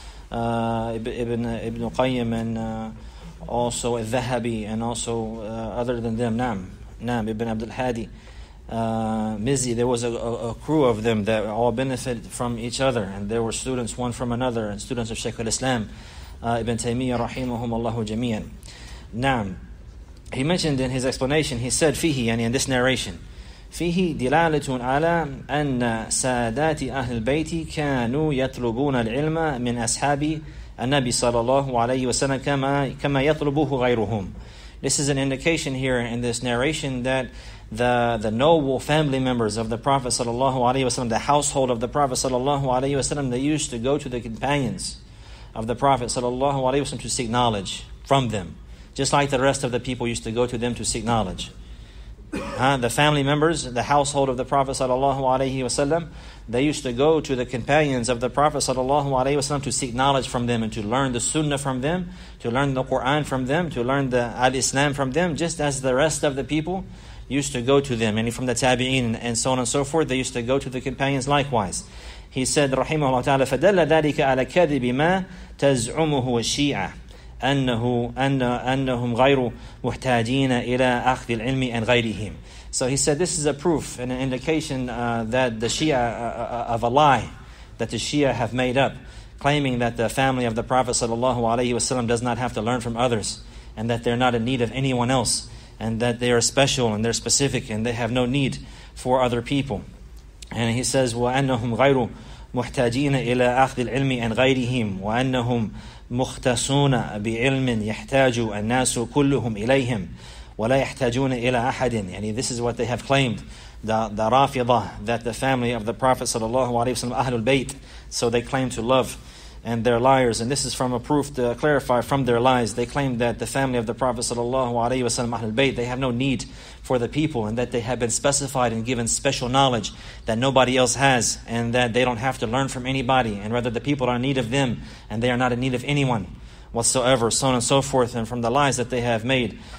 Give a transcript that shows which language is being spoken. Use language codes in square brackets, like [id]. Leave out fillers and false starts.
[en] Along with Ibn Qayyim and also al-Dhahabi and also other than them, Naam, Ibn Abdul Hadi, Mizzi, there was a crew of them that all benefited from each other, and there were students one from another, and students of Shaykh al-Islam, Ibn Taymiyyah, rahimahum allahu jamian. [ar] Naam. [en] He mentioned in his explanation, he said, fihi, yani in this narration, [ar] فيه دلالة على أن سادات أهل البيت كانوا يطلبون العلم من أصحاب النبي صلى الله عليه وسلم كما يطلبه غيرهم. [en] This is an indication here in this narration that the noble family members of the Prophet [ar] صلى الله عليه وسلم, [en] the household of the Prophet صلى الله عليه وسلم, they used to go to the companions of the Prophet صلى الله عليه وسلم to seek knowledge from them, just like the rest of the people used to go to them to seek knowledge. The family members, the household of the Prophet sallallahu alaihi wasallam, they used to go to the companions of the Prophet sallallahu alaihi wasallam to seek knowledge from them and to learn the Sunnah from them, to learn the Quran from them, to learn the Al-Islam from them, just as the rest of the people used to go to them, and from the Tabi'een and so on and so forth, they used to go to the companions likewise. He said, rahimahullah ta'ala, [ar] فَدَلَّ ذَلِكَ عَلَى كَذِبِ مَا تَزْعُمُهُ الشِّيعَةِ أنهم غير محتاجين إلى أخذ العلم [en] and [ar] غيرهم. [en] So he said, this is a proof and an indication that the Shia of a lie that the Shia have made up, claiming that the family of the Prophet sallallahu alaihi wasallam does not have to learn from others, and that they're not in need of anyone else, and that they are special and they're specific, and they have no need for other people. And he says, [ar] وأنهم غير محتاجين إلى أخذ العلم [en] and [ar] غيرهم وأنهم مختصون بعلم يحتاج الناس كلهم إليهم ولا يحتاجون إلى أحد. [en] يعني this is what they have claimed, the Rafida, that the family of the Prophet sallallahu alaihi wasallam, Ahlul Bayt, so they claim to love, and they're liars. And this is from a proof to clarify from their lies. They claim that the family of the Prophet sallallahu alaihi wasallam, Ahlul Bayt, they have no need for the people, and that they have been specified and given special knowledge that nobody else has, and that they don't have to learn from anybody, and rather the people are in need of them, and they are not in need of anyone whatsoever, so on and so forth, and from the lies that they have made.